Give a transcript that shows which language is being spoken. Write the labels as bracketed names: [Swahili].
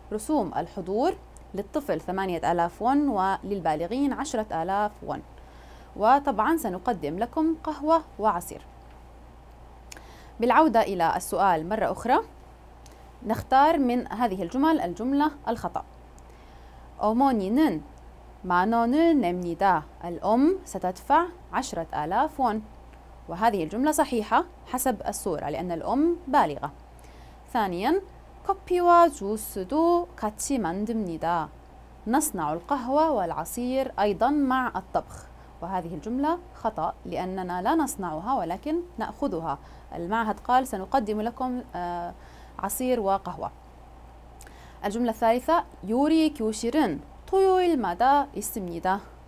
[Arabic] رسوم الحضور للطفل 8000 won وللبالغين 10000 won. وطبعا سنقدم لكم قهوة وعصير. بالعودة إلى السؤال مرة أخرى، نختار من هذه الجمل الجملة الخطأ. [Korean] 어머니는 만 원을 냅니다. [Arabic] الأم ستدفع 10,000 won. وهذه الجملة صحيحة حسب الصورة لأن الأم بالغة. [Korean] ثانيا، 커피와 주스도 같이 만듭니다. [Arabic] نصنع القهوة والعصير أيضا مع الطبخ. وهذه الجملة خطأ لأننا لا نصنعها ولكن نأخذها. المعهد قال سنقدم لكم عصير وقهوة. [Korean] الجملة الثالثة، يوري كيوشيرن تويل مادا إسمنيدا.